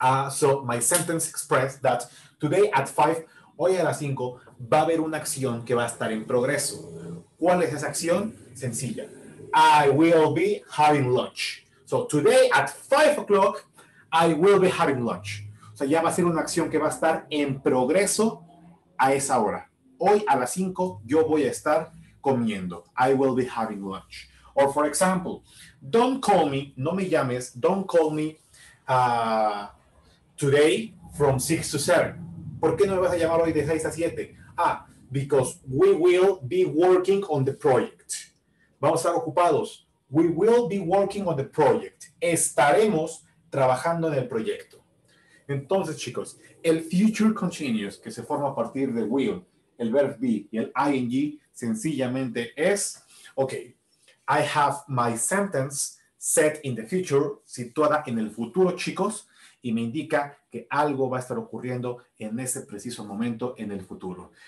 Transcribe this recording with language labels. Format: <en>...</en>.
<en>So my sentence expressed that today at 5,</en> <es>hoy a las 5, va a haber una acción que va a estar en progreso. ¿Cuál es esa acción? Sencilla.</es> <en>I will be having lunch. So today at 5 o'clock, I will be having lunch.</en> <es>O sea, ya va a ser una acción que va a estar en progreso a esa hora. Hoy a las 5, yo voy a estar comiendo.</es> <en>I will be having lunch. Or for example, don't call me,</en> <es>no me llames,</es> <en>don't call me today from 6 to 7.</en> <es>¿Por qué no me vas a llamar hoy de 6 a 7?</es> <en>Ah, because we will be working on the project.</en> <es>Vamos a estar ocupados.</es> <en>We will be working on the project.</en> <es>Estaremos trabajando en el proyecto. Entonces, chicos, el future continuous que se forma a partir de will, el verb be y el ing, sencillamente es, okay,</es> <en>I have my sentence set in the future,</en> <es>situada en el futuro, chicos, y me indica que algo va a estar ocurriendo en ese preciso momento en el futuro.</es>